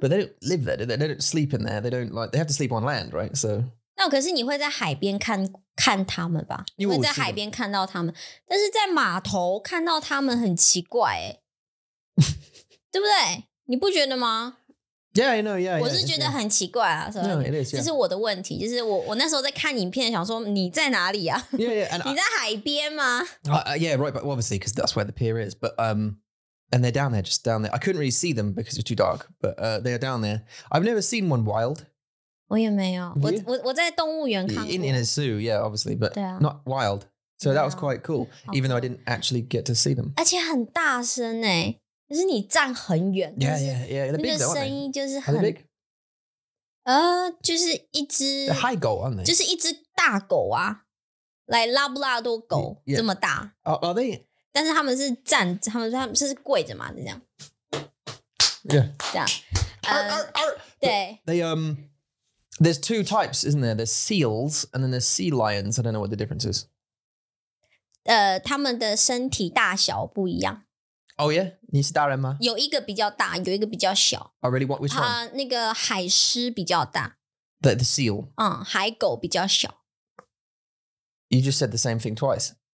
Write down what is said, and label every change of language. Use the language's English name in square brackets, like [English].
[English] But they don't live there, do they? They don't sleep in there. They don't like, they have to sleep on land, right? So... [Chinese] 那可是你会在海边看他们吧？你会在海边看到他们，但是在码头看到他们很奇怪，哎，对不对？你不觉得吗 [English] ？Yeah, I know. Yeah, [Chinese] 我是觉得很奇怪啊。 [English] No, it is. Yeah. [Chinese] 这是我的问题，就是我那时候在看影片，想说你在哪里啊 [English] ？Yeah, yeah. [Chinese] 你在海边吗 [English] ？Yeah, right. But obviously, because that's where the pier is. But and they're down there, just down there. I couldn't really see them because it's too dark. But they are down there. I've never seen one wild. [Chinese] 我也没有，我在动物园看过。 [English] In a zoo, yeah, obviously, but not wild. So that was quite cool, even though I didn't actually get to see them. [Chinese] 而且很大声诶，就是你站很远。 [English] Yeah, yeah, yeah. They're big, aren't they? [Chinese] 那个声音就是很。 [English] Are they big? [Chinese] 就是一只。 [English] They're high goat, aren't they? [Chinese] 就是一只大狗啊，like拉布拉多狗这么大。 [English] Are they? [Chinese] 但是他们是站，他们是跪着嘛，这样。 [English] Yeah. [Chinese] 这样。对。 [English] They There's two types, isn't there? There's seals and then there's sea lions. I don't know what the difference is. [Chinese] 他们的身体大小不一样。 [English] Oh yeah? [Chinese] 你是大人吗？有一个比较大，有一个比较小。 [English] Oh really? What, which one? [Chinese] 那个海狮比较大。 [English] The seal? [Chinese] 海狗比较小。 [English] You just said the same thing twice.